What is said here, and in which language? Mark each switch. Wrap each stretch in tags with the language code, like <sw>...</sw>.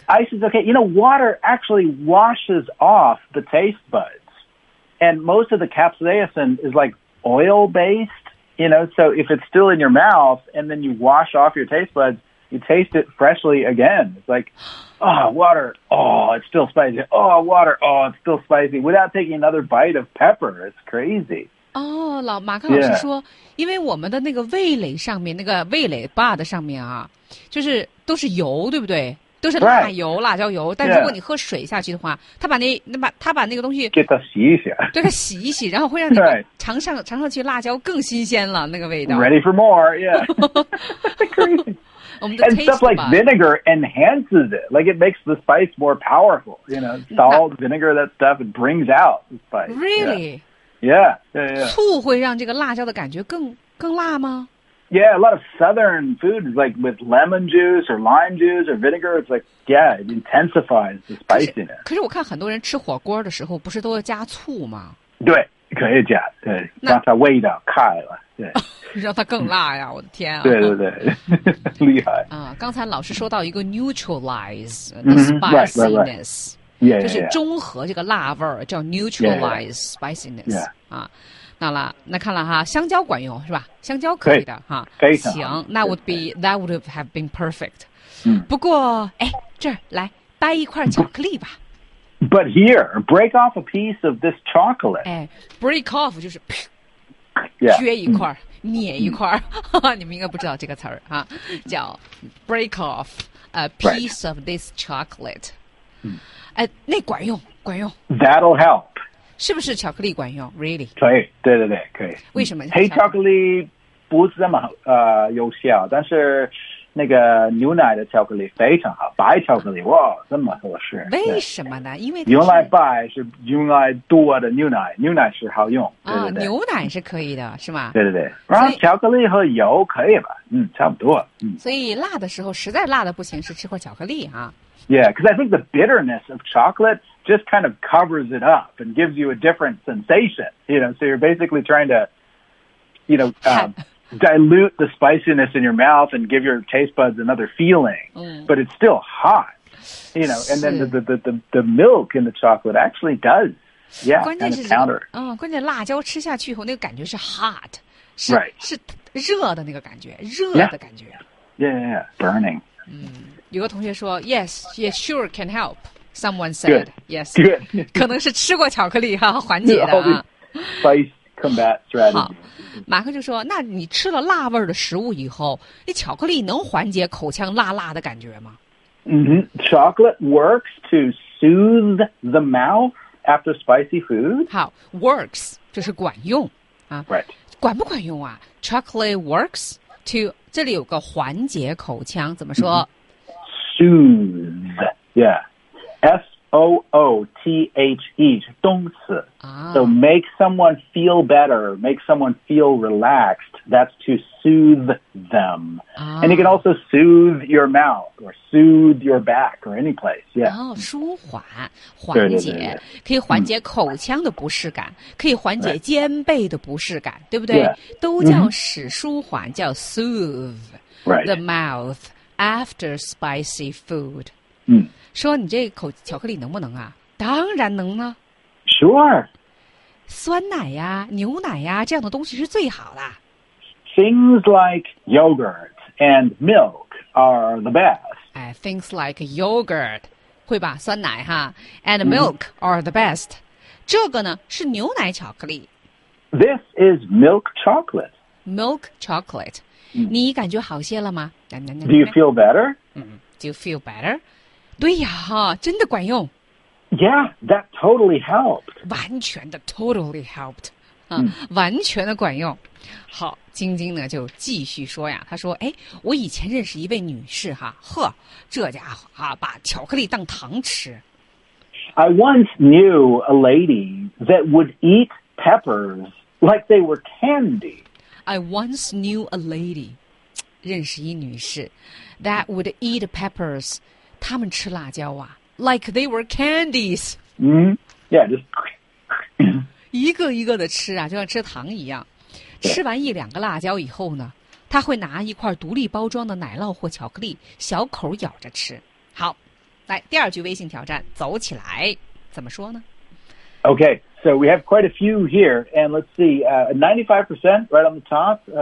<en>Ice is okay. You know, water actually washes off the taste buds, and most of the capsaicin is like oil based. You know, so if it's still in your mouth and then you wash off your taste buds, you taste it freshly again. It's like, oh, water. Oh, it's still spicy. Oh, water. Oh, it's still spicy. Without taking another bite of pepper, it's crazy.</en> <zh>Oh, 老马克老师说，因为我们的那个味蕾上面，那个味蕾 bud 上面啊，就是都是油，对不对？都是辣油、辣椒油，但如果你喝水下去的话，他把那个东西给它洗一洗，对，它洗一洗，然后会让你尝上去辣椒更新鲜了，那个味道。</zh> <en>Ready for more? Yeah.</en> <zh>我们的 taste</zh> <en>and stuff like vinegar enhances it, like it makes the spice more powerful. You know, salt, vinegar, that stuff it brings out the spice. Really? Yeah.</en> <zh>醋会让这个辣椒的感觉更辣吗？</zh> <en>Yeah, a lot of southern foods, like with lemon juice or lime juice or vinegar, it's like, yeah, it intensifies the spiciness.</en> <zh>可是我看很多人吃火锅的时候不是都要加醋吗？对，可以加，对，让它味道开了，对。让它更辣呀，我的天啊。对对对，厉害。刚才老师说到一个</zh> <en>neutralize the spiciness, right.</en> <zh>就是中和这个辣味儿，叫</zh> <en>neutralize spiciness, yeah.</en> <zh>那看了哈，香蕉管用是吧？香蕉可以的哈，非常行。</zh> <en>That would be that would have been perfect.、嗯、</en> <zh>不过，哎，这儿来掰一块巧克力吧。</zh> <en>But here, break off a piece of this chocolate.</en> <zh>哎 ，</zh> <en>break off</en> <zh>就是，撅、一块、捻一块，你们应该不知道这个词儿哈，叫</zh> <en>break off a piece、 right. of this chocolate、嗯。</en> <zh>哎，那管用，管用。</zh> <en>That'll help.</en> <zh>是不是巧克力管用 ？</zh> <en>Really？</en> <zh>可以，对对对，可以。为什么黑巧克力不这么有效？但是那个牛奶的巧克力非常好，白巧克力哇，这么合适。为什么呢？因为用来白是用来多的牛奶，牛奶是好用。对对对，牛奶是可以的，是吗？对对对，然后巧克力和油可以吧？嗯，差不多。嗯，所以辣的时候实在辣的不行，是吃块巧克力啊。</zh> <en>Yeah, because I think the bitterness of chocolate just kind of covers it up and gives you a different sensation. You know, so you're basically trying to, you know, dilute the spiciness in your mouth and give your taste buds another feeling. Mm. But it's still hot, you know, and then the milk in the chocolate actually does, yeah, kind of counter.</en> <zh>关键辣椒吃下去以后那个感觉是 hot, 是,</zh> <en>right.</en> <zh>是热的那个感觉，热的感觉。</zh> <en>Yeah, burning. Mm.</en> <zh>有个同学说</zh> <en>，Yes, yes, sure can help. Someone said, good. Yes, good.</en> <zh>可能是吃过巧克力哈、啊，缓解的啊。</zh> <en>Spice combat strategy.</en> <zh>好，马克就说：“那你吃了辣味的食物以后，那巧克力能缓解口腔辣辣的感觉吗？” Mm-hmm.</zh> <en>Chocolate works to soothe the mouth after spicy food.</en> <zh>好 ，works 就是管用啊。</zh> <en>Right.</en> <zh>管不管用啊 ？</zh> <en>Chocolate works to</en> <zh>这里有个缓解口腔，怎么说？Mm-hmm.</zh> <en>Soothe, yeah, S-O-O-T-H-E,</en> <zh>动词</zh> <en>So make someone feel better, make someone feel relaxed, that's to soothe them. And you can also soothe your mouth, or soothe your back, or any place, yeah.</en> <zh>舒缓，缓解，对对对对，可以缓解口腔的不适感，可以缓解肩背的不适感，对不对？</zh> <en>Yeah.</en> <zh>都叫使舒缓，叫 soothe、</zh> <en>right. the mouth. After spicy food, 嗯，</en> <zh>说你这口巧克力能不能啊？当然能啊。</zh> <en>Sure.</en> <zh>酸奶呀，牛奶呀，这样的东西是最好的。</zh> <en>Things like yogurt and milk are the best. Things like yogurt,</en> <zh>会吧？酸奶哈</zh> <en>，and milk are the best.</en> <zh>这个呢是牛奶巧克力。</zh> <en>This is milk chocolate. Milk chocolate.</en> <zh>你感觉好些了吗？</zh> <en>Do you feel better? Do you feel better?</en> <zh>对呀，真的管用。</zh> <en>Yeah, that totally helped.</en> <zh>完全的</zh> <en>totally helped.</en> <zh>完全的管用。好，晶晶呢就继续说呀，她说，哎，我以前认识一位女士哈，呵，这家伙啊，把巧克力当糖吃。</zh> <en>I once knew a lady that would eat peppers like they were candy. I once knew a lady.</en> <zh>认识一女士</zh> <en>that would eat peppers,</en> <zh>他们吃辣椒啊</zh> <en>like they were candies. Yeah, just</en> <zh>一个一个的吃啊，就像吃糖一样。吃完一两个辣椒以后呢，他会拿一块独立包装的奶酪或巧克力，小口咬着吃。好，来第二句微信挑战，走起来，怎么说呢</zh> <en>？Okay, so we have quite a few here, and let's see, 95% right on the top.</en>